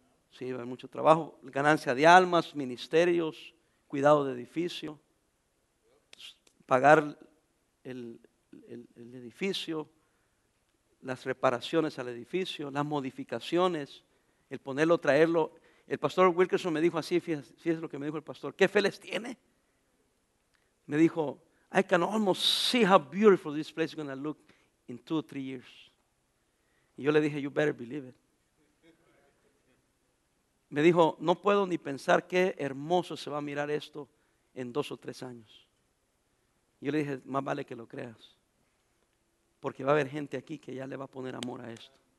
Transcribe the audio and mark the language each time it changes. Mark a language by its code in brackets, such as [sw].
[es] Sí, va a haber mucho trabajo, ganancia de almas, ministerios, cuidado de edificio, pagar el edificio, las reparaciones al edificio, las modificaciones, el ponerlo, traerlo. El pastor Wilkerson me dijo así, fíjese lo que me dijo el pastor, ¿qué fe les tiene? Me dijo, [en] I can almost see how beautiful this place is going to look in 2 or 3 years. [es] Y yo le dije, [en] you better believe it. [es] Me dijo, no puedo ni pensar qué hermoso se va a mirar esto en 2 o 3 años. Yo le dije, más vale que lo creas. Porque va a haber gente aquí que ya le va a poner amor a esto.